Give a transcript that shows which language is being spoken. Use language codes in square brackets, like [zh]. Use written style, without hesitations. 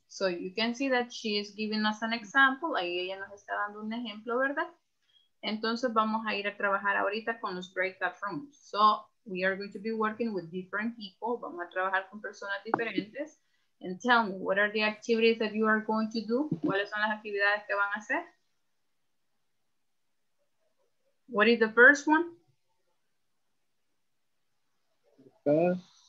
[en] So you can see that she is giving us an example. [es] Ahí ella nos está dando un ejemplo, ¿verdad? Entonces vamos a ir a trabajar ahorita con los breakout rooms. [en] So we are going to be working with different people. [es] Vamos a trabajar con personas diferentes. [en] And tell me, what are the activities that you are going to do? [es] ¿Cuáles son las actividades que van a hacer? [en] What is the first one? The first